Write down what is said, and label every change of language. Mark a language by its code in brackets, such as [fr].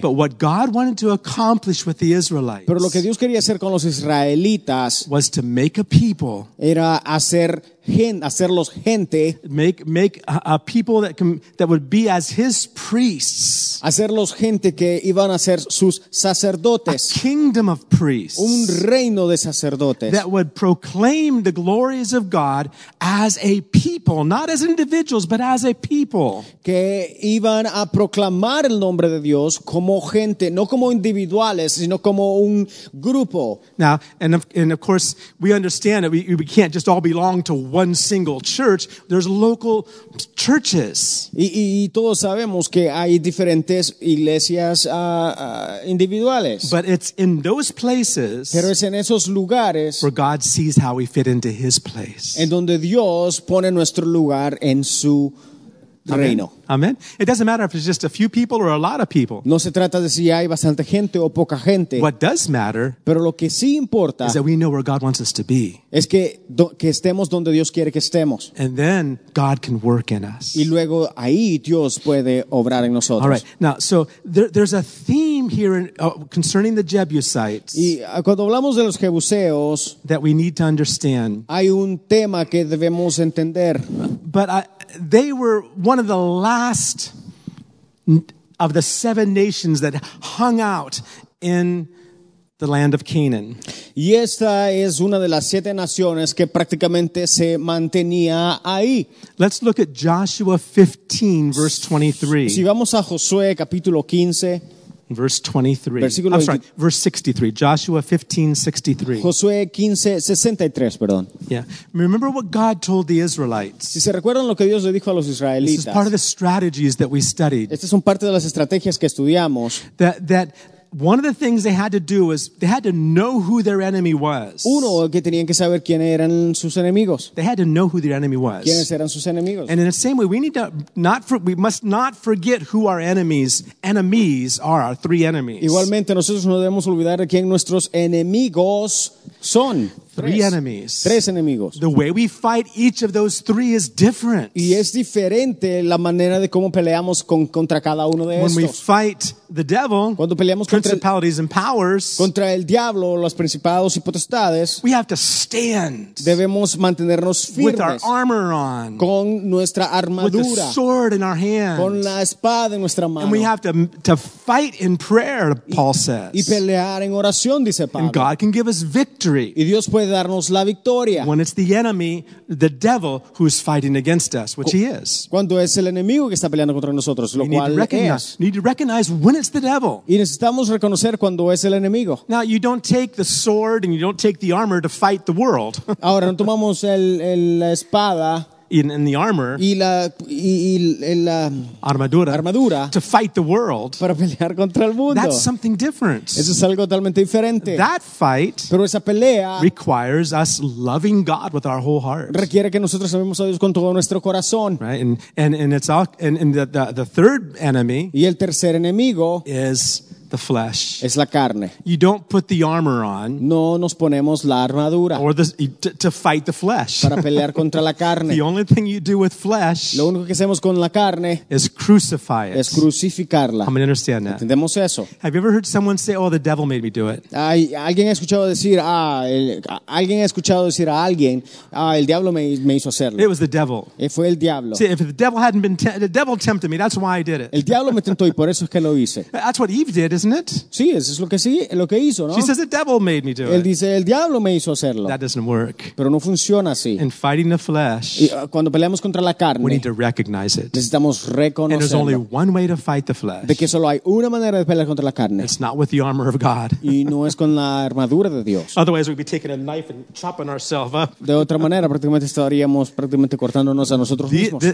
[en] But what God wanted to accomplish with the Israelites. [es] Pero lo que Dios quería hacer con los israelitas [en] was to make a people. [es] Era hacerlos gente. [en] Make a people that would be as his priests. [es] Hacerlos gente que iban a ser sus sacerdotes. [en] A kingdom of priests. [es] Un reino de sacerdotes. [en] That would proclaim the glories of God as a people, not as individuals, but as a people. [es] Que iban a proclamar el nombre de Dios como gente, no como individuales, sino como un grupo. [en] Now, and of course, we understand that we can't just all belong to one single church. There's local churches. [es] Y todos sabemos que hay diferentes iglesias individuales. [en] But it's in those places. [es] Pero es en esos lugares. [en] Where God sees how we fit into His place. [es] En donde Dios pone nuestro lugar en su reino. [en] Amen. It doesn't matter if it's just a few people or a lot of people. [es] No se trata de si hay bastante gente o poca gente. [en] What does matter? [es] Pero lo que sí importa [en] is that we know where God wants us to be. [es] Es que estemos donde Dios quiere que estemos. [en] And then God can work in us. [es] Y luego ahí Dios puede obrar en nosotros. [en] All right. Now, so there's a theme here concerning the Jebusites. [es] Y cuando hablamos de los Jebuseos, [en] that we need to understand. [es] Hay un tema que debemos entender. [en] But they were one of the last of the seven nations that hung out in the land of Canaan. [es] Y esta es una de las siete naciones que prácticamente se mantenía ahí. [en] Let's look at Joshua 15, verse 23. [es] Si vamos a Josué, capítulo 15. [en] Verse 23. I'm sorry, verse 63. Joshua 15, 63. [es] Josué 15, 63, perdón. [en] Yeah. Remember what God told the Israelites. [es] Si se recuerdan lo que Dios le dijo a los israelitas. [en] This is part of the strategies that we studied. [es] Estas son parte de las estrategias que estudiamos. [en] That one of the things they had to do was they had to know who their enemy was. [es] Uno, que tenían que saber quién eran sus enemigos. [en] They had to know who their enemy was. [es] ¿Quiénes eran sus enemigos? [en] And in the same way, we must not forget who our enemies are, our three enemies. [es] Igualmente, nosotros no debemos olvidar de quién nuestros enemigos son. [en] Three enemies. [es] Tres enemigos. [en] The way we fight each of those three is different. [es] Y es diferente la manera de cómo peleamos contra cada uno de [en] when [es] estos. [en] When we fight the devil, [es] cuando peleamos [en] principalities and powers, [es] contra el diablo, los principados y potestades, [en] we have to stand. [es] Debemos mantenernos firmes. [en] With our armor on. [es] Con nuestra armadura. [en] With the sword in our hand. [es] Con la espada en nuestra mano. [en] And we have to fight in prayer, Paul says. [es] Y pelear en oración, dice Pablo. [en] And God can give us victory. [es] Y Dios puede darnos la victoria. [en] When it's the enemy, the devil, who's fighting against us, which he is. [es] Cuando es el enemigo que está peleando contra nosotros, lo cual es. [en] Need to recognize when it's the devil. [es] Y necesitamos reconocer cuando es el enemigo. [en] Now, you don't take the sword and you don't take the armor to fight the world. [es] Ahora, no tomamos la espada. [en] In the armor. [es] Armadura. [en] To fight the world. [es] Para pelear contra el mundo. [en] That's something different. [es] Eso es algo totalmente diferente. [en] That fight. [es] Pero esa pelea. [en] Requires us loving God with our whole heart. [es] Requiere que nosotros amemos a Dios con todo nuestro corazón. [en] Right. And it's all, and the third enemy. [es] Y el tercer enemigo. [en] Is the flesh. [es] Es la carne. [en] You don't put the armor on. [es] No nos ponemos la armadura. [en] Or to fight the flesh. [es] Para pelear contra la carne. [en] The only thing you do with flesh. [es] Lo único que hacemos con la carne. [en] Is crucify it. [es] Es crucificarla. [en] I'm going to understand that. [es] ¿Entendemos eso? [en] Have you ever heard someone say, "Oh, the devil made me do it"? [es] ¿Alguien ha escuchado decir, el diablo me hizo hacerlo? [en] It was the devil. [es] Fue el diablo. [en] See, if the devil hadn't been, the devil tempted me. That's why I did it. [es] El diablo me tentó y por eso es que lo hice. [en] That's what Eve did, isn't it? [es] Sí, eso es lo que hizo, ¿no? [en] She says the devil made me do it. [es] Él dice, el diablo me hizo hacerlo. [en] That doesn't work. [es] Pero no funciona así. [en] In fighting the flesh, [es] y cuando peleamos contra la carne, [en] we need to recognize it. [es] Necesitamos reconocerlo. [en] And there's only one way to fight the flesh. [es] De que solo hay una manera de pelear contra la carne. [en] It's not with the armor of God. [es] Y no es con la armadura de Dios. [en] Otherwise, we'd be taking a knife and chopping ourselves up. [es] De otra manera, prácticamente estaríamos prácticamente cortándonos a nosotros mismos.